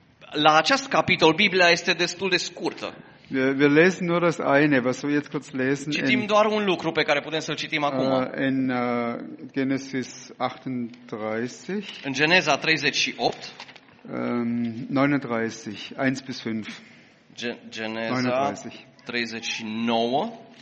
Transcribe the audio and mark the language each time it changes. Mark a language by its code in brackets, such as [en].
[ro] La acest capitol Biblia este destul de scurtă. [de] Wir lesen nur das eine, was wir jetzt kurz lesen. [ro] Citim doar un lucru pe care putem să-l citim acum. [de] In Genesis 38. [ro] În Geneza 38. [de] 39, 1 bis 5. [ro] Geneza 39.